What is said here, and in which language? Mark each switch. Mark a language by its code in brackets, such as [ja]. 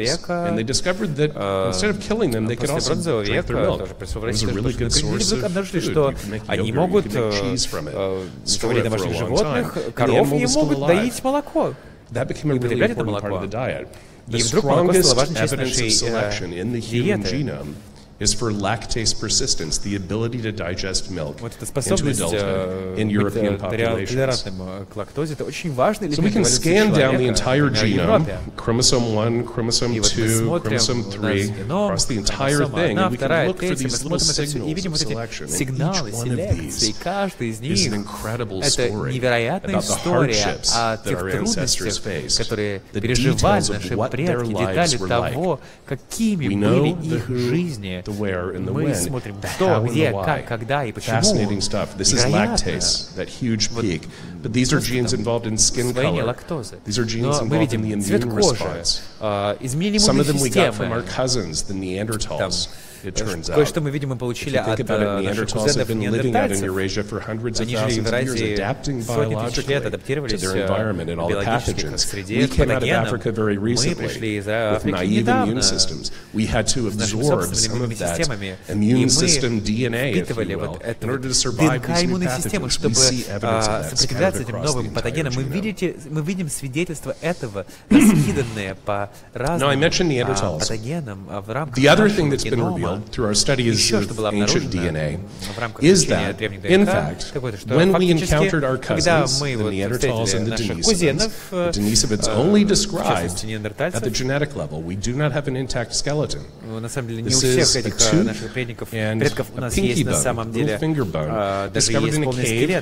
[ru] После бронзового века тоже присутствовали люди обнаружили, что они могут говорить о ваших животных, коров не могут доить молоко, употреблять это молоко. И вдруг молоко стало важной частью нашей диеты. [en] Is for lactase persistence, the ability to digest milk into adulthood in European populations. So we can scan down the entire genome, chromosome 1, chromosome 2, chromosome 3, across the entire thing, and we can look for these little signals of selection. And each one of these is an incredible story about the hardships that our ancestors faced, the details of what their lives were like. We know the who, [ru] мы смотрим, что, где, как, когда и почему. [en] Stuff. This is lactase, that huge peak. But these are genes involved in skin color. These are genes involved in the immune response. [ru] Изменение [en] Some of them we got from our cousins, the Neanderthals. It turns out. [ru] Кое-что мы, видимо, получили от неандертальцев. Они жили в Евразии сотни тысяч лет, адаптировались к биологической среде, к патогенам. Мы пришли из Африки недавно с нашими собственными иммунными системами, и мы впитывали вот эту ДНК иммунную систему, чтобы сопротивляться этим новым патогенам. Мы видим свидетельства этого, раскиданные по разным патогенам в рамках нашего генома. [en] Through our study of ancient DNA, is that, in fact, when we encountered our cousins, the Neanderthals and the Denisovans, the Denisovans only described at the genetic level. We do not have an intact skeleton. This is a tooth and a pinky bone, a little finger bone, discovered in a cave